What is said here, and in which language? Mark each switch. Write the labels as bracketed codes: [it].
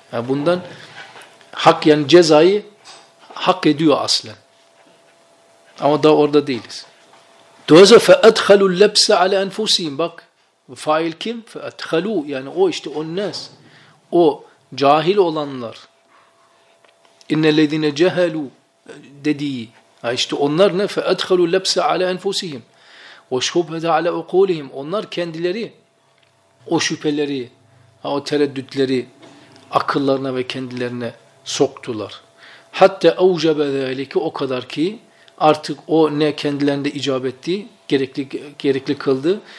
[tr] Yani bundan hak, yani cezayı hak ediyor aslen. Ama daha orada değiliz. Dolayısıyla [ar] فَاَدْخَلُوا اللَّبْسَ عَلَى اَنْفُسِهِمْ [tr] Bak, fail kim? [ar] فَاَدْخَلُوا [tr] Yani o işte o nes. O cahil olanlar. [ar] اِنَّ الَّذِينَ جَهَلُوا [tr] dediği. Ha işte onlar ne? [ar] فَاَدْخَلُوا اللَّبْسَ عَلَى اَنْفُسِهِمْ وَشُبْهَدَ عَلَى اُقُولِهِمْ [tr] Onlar kendileri o şüpheleri, o tereddütleri akıllarına ve kendilerine soktular. [ar] حَتَّ اَوْجَبَ ذَٰلِكِ [tr] O kadar ki artık o ne kendilerine icap etti, gerekli kıldı.